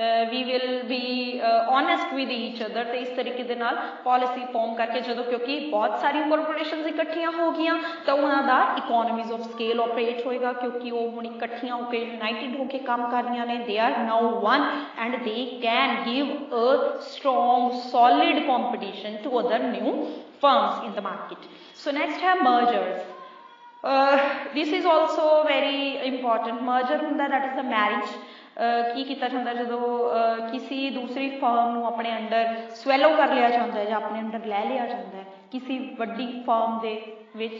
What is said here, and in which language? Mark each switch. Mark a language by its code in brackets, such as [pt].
[en] we will be honest with each other, [pa] ਤੇ ਇਸ ਤਰੀਕੇ ਦੇ ਨਾਲ ਪੋਲਿਸੀ ਫੋਰਮ ਕਰਕੇ ਜਦੋਂ, ਕਿਉਂਕਿ ਬਹੁਤ ਸਾਰੀਆਂ ਕਾਰਪੋਰੇਸ਼ਨ ਇਕੱਠੀਆਂ ਹੋ ਗਈਆਂ ਤਾਂ ਉਹਨਾਂ ਦਾ ਇਕੋਨਮੀਜ਼ ਆਫ ਸਕੇਲ ਓਪਰੇਟ ਹੋਏਗਾ, ਕਿਉਂਕਿ ਉਹ ਹੁਣ ਇਕੱਠੀਆਂ ਹੋ ਕੇ ਯੂਨਾਈਟਿਡ ਹੋ ਕੇ ਕੰਮ ਕਰ ਰਹੀਆਂ ਨੇ, [en] They are now one and they can give a strong solid competition to other new firms in the market. [pa] So next ਹੈ ਮਰਜਰਸ. [en] This is also very important. [pa] Merger hunda, [en] that is the marriage. [pa] ਕੀ ਕੀਤਾ ਜਾਂਦਾ ਜਦੋਂ ਕਿਸੇ ਦੂਸਰੀ firm ਨੂੰ ਆਪਣੇ under swallow ਕਰ ਲਿਆ ਜਾਂਦਾ ਜਾਂ ਆਪਣੇ ਅੰਡਰ ਲੈ ਲਿਆ ਜਾਂਦਾ ਕਿਸੇ ਵੱਡੀ ਫਰਮ ਦੇ ਵਿੱਚ.